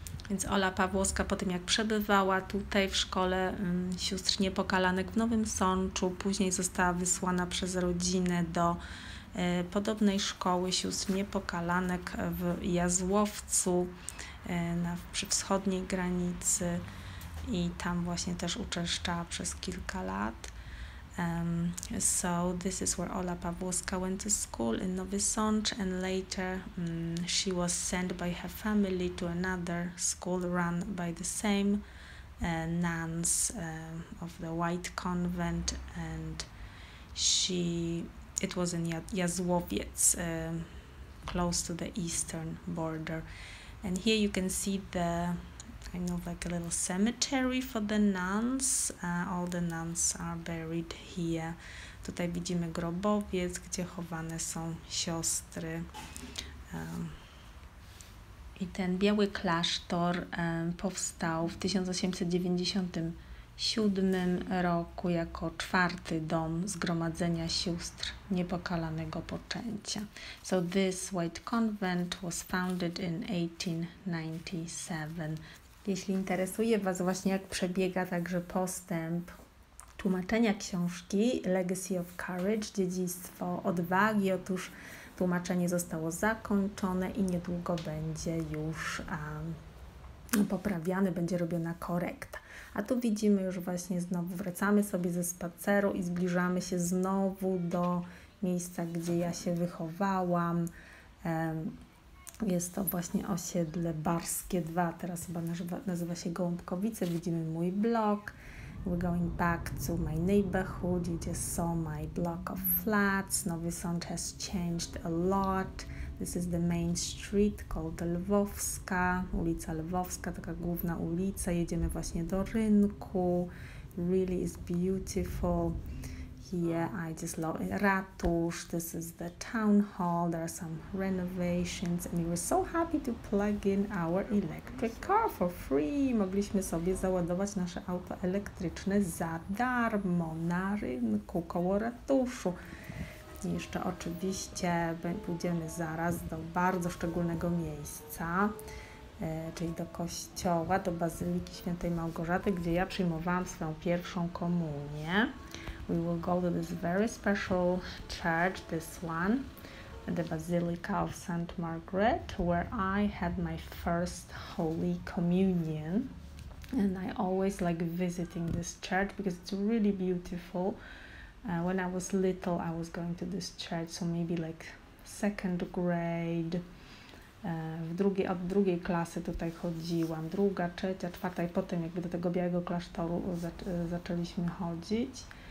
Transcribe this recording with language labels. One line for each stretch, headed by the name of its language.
Polish: Więc Ola Pawłowska po tym, jak przebywała tutaj w szkole sióstr niepokalanek w Nowym Sączu, później została wysłana przez rodzinę do podobnej szkoły sióstr niepokalanek w Jazłowcu przy wschodniej granicy i tam właśnie też uczęszczała przez kilka lat.
English: So this is where Ola Pawłowska went to school in Nowy Sącz, and later she was sent by her family to another school run by the same nuns of the White Convent, and it was in Jazłowiec, close to the eastern border. And here you can see the kind of like a little cemetery for the nuns. All the nuns are buried here.
Polish: Tutaj widzimy grobowiec, gdzie chowane są siostry. I ten biały klasztor powstał w 1897 roku jako czwarty dom zgromadzenia sióstr niepokalanego poczęcia.
English: So this white convent was founded in 1897.
Polish: Jeśli interesuje Was właśnie, jak przebiega także postęp tłumaczenia książki Legacy of Courage, dziedzictwo odwagi, otóż tłumaczenie zostało zakończone i niedługo będzie już poprawiane, będzie robiona korekta. A tu widzimy już właśnie znowu, wracamy sobie ze spaceru i zbliżamy się znowu do miejsca, gdzie ja się wychowałam. Jest to właśnie osiedle Barskie 2, teraz chyba nazywa się Gołąbkowice. Widzimy mój blok.
English: We're going back to my neighborhood. You just saw my block of flats. Nowy Sącz has changed a lot. This is the main street called Lwowska.
Polish: Ulica Lwowska, taka główna ulica. Jedziemy właśnie do rynku.
English: Really is beautiful. Here I just love Ratusz. This is the town hall. There are some renovations. And we were so happy to plug in our electric car for free.
Polish: Mogliśmy sobie załadować nasze auto elektryczne za darmo na rynku koło ratuszu. I jeszcze oczywiście pójdziemy zaraz do bardzo szczególnego miejsca, czyli do kościoła, do Bazyliki Świętej Małgorzaty, gdzie ja przyjmowałam swoją pierwszą komunię.
English: We will go to this very special church, this one, the Basilica of St. Margaret, where I had my first Holy Communion. And I always like visiting this church because it's really beautiful. When I was little, I was going to this church, so maybe like second grade.
Polish: Od drugiej klasy tutaj chodziłam, druga, trzecia, czwarta i potem jakby do tego białego klasztoru zaczęliśmy chodzić.